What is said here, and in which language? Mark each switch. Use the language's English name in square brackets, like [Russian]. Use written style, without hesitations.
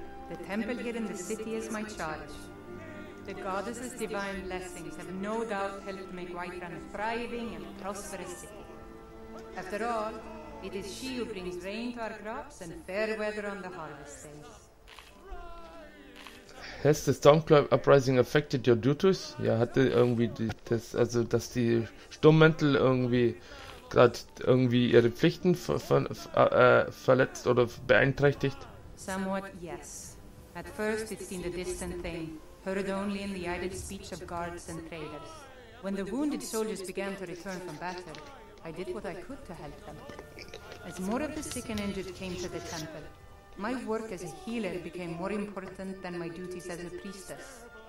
[English] The temple here in the city is my charge. The goddess's divine blessings have no doubt helped make Whiterun a thriving and prosperous city. After all, it is she who brings rain to our crops and fair weather on the harvest day. Has the Stormcloud Uprising affected your duties? [German] Ja, hatte irgendwie dass die Sturmmäntel irgendwie gerade irgendwie ihre Pflichten verletzt oder beeinträchtigt? [English] Somewhat, yes. At first it seemed a distant thing, heard only in the idle speech of guards and traders. When the wounded soldiers began to return from battle, I did what I could to help them. As more of the sick and injured came to the temple, my work as a healer became more important than my duties as a priestess.